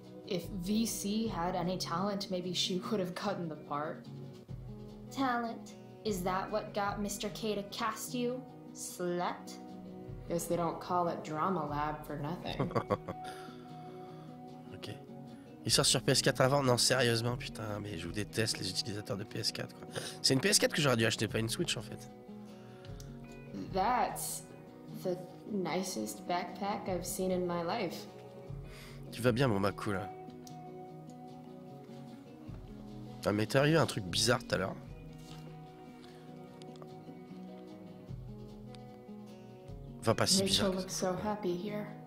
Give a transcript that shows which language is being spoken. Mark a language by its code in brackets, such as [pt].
[en] If VC had any talent, maybe she would have gotten the part. Talent? Is that what got Mr. K to cast you? Slut? Guess they don't call it Drama Lab for nothing. [fr] Ok. Il sort sur PS4 avant? Non, sérieusement, putain, mais je vous déteste les utilisateurs de PS4, quoi. C'est une PS4 que j'aurais dû acheter, pas une Switch, en fait. [en] That's the nicest backpack I've seen in my life. [fr] Tu vas bien, mon Macou, là. Ah, mais t'es arrivé un truc bizarre tout à l'heure. Va pas si bizarre. [en] Rachel looks so happy here.